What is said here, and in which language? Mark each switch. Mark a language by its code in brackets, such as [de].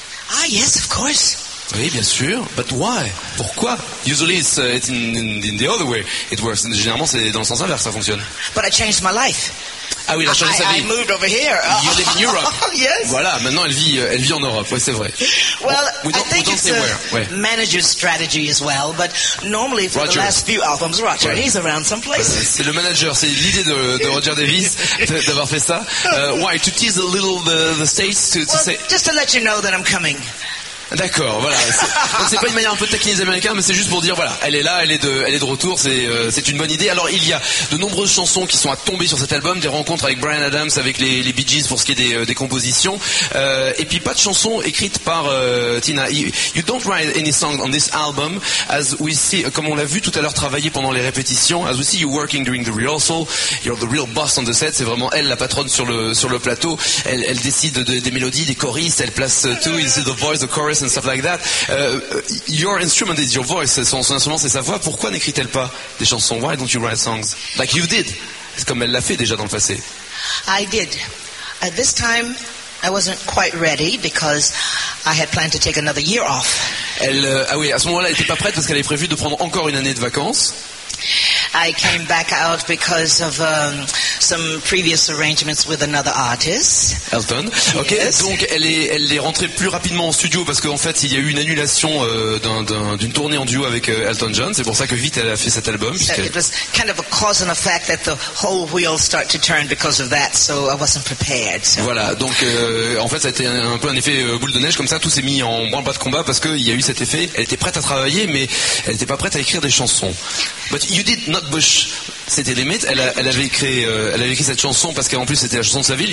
[en] Ah yes, of course. [fr] Oui, bien sûr. [en] But why? [fr] Pourquoi? [en] Usually it's in the other way. It works. [fr] Généralement, c'est dans le sens inverse, ça fonctionne. [en] But I changed my life. [fr] Ah oui, il a changé sa vie. [en] I moved over here. You live in Europe. Yes. [fr] Voilà, maintenant elle vit en Europe. Oui, c'est vrai. [en] Well, I think it's a manager's strategy as well. But normally for Roger. The last few albums, Roger, ouais. He's around some place. [fr] C'est le manager, c'est l'idée de Roger Davis d'avoir fait ça. [en] Why? To tease a little the States to say. Just to let you know that I'm coming. [fr] D'accord, voilà. Donc c'est pas une manière un peu de taquiner les Américains, mais c'est juste pour dire, voilà, elle est là, elle est de retour, c'est une bonne idée. Alors il y a de nombreuses chansons qui sont à tomber sur cet album, des rencontres avec Bryan Adams, avec les Bee Gees pour ce qui est des compositions, et puis pas de chansons écrites par Tina. [en] You don't write any song on this album, as we see, [fr] comme on l'a vu tout à l'heure travailler pendant les répétitions. [en] As we see you working during the rehearsal, you're the real boss on the set. [fr] C'est vraiment elle, la patronne sur le plateau. Elle décide des mélodies, des choristes, elle place tout. [en] You see the voice, the chorus. And stuff like that. Your instrument is your voice. [fr] Son instrument, c'est sa voix. Pourquoi n'écrit-elle pas des chansons? [en] Why don't you write songs like you did? [fr] C'est comme elle l'a fait déjà dans le passé. [en] I did. At this time, I wasn't quite ready because I had planned to take another year off. [fr] Elle, à ce moment-là, elle n'était pas prête parce qu'elle avait prévu de prendre encore une année de vacances. [en] I came back out because of some previous arrangements with another artist. Elton. OK, yes. [fr] Donc elle est rentrée plus rapidement en studio parce qu'en fait, il y a eu une annulation d'une tournée en duo avec Elton John, c'est pour ça que vite elle a fait cet album. [en] It was kind of a cause and effect that the whole wheel started to turn because of that, so I wasn't prepared. So. [fr] Voilà, donc en fait, ça a été un peu un effet boule de neige comme ça, tout s'est mis en branle bas de combat parce qu'il y a eu cet effet. Elle était prête à travailler mais elle n'était pas prête à écrire des chansons. [en] But you did not bush. [fr] City Limit. Elle avait écrit cette chanson parce qu'en plus c'était la chanson de sa ville.